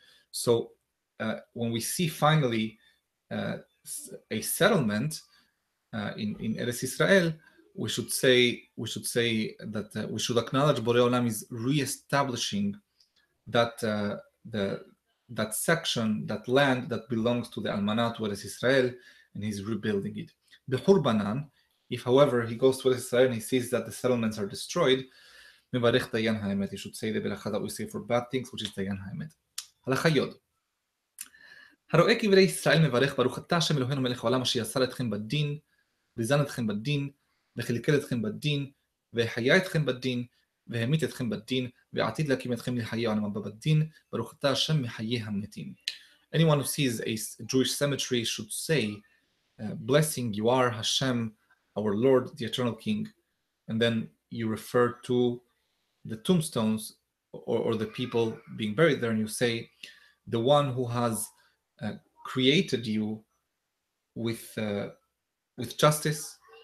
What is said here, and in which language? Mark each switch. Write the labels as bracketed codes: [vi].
[en] So when we see finally a settlement in Eretz Israel, we should acknowledge Borei Olam is re-establishing that section, that land that belongs to the Almana, to Eretz Israel, and he's rebuilding it. Behurbanan, if however he goes to Eretz Israel and he sees that the settlements are destroyed, [he] mevarech Dayan Ha'emet, [en] he should say the berachah that we say for bad things, which is Dayan Ha'emet. Halacha Yod. [he] הרואה קברי ישראל מברך ברוך אתה השם אלוהינו מלך העולם אשר יסר אתכם בדין וזן אתכם בדין וחלקל אתכם בדין והיה אתכם בדין והמית אתכם בדין ועתיד להקים אתכם לחיי העולם הבא בדין ברוך אתה השם מחיי המתים. [en] Anyone who sees a Jewish cemetery should say blessing you are Hashem our Lord the Eternal King, and then you refer to the tombstones or the people being buried there, and you say the one who has created you with justice,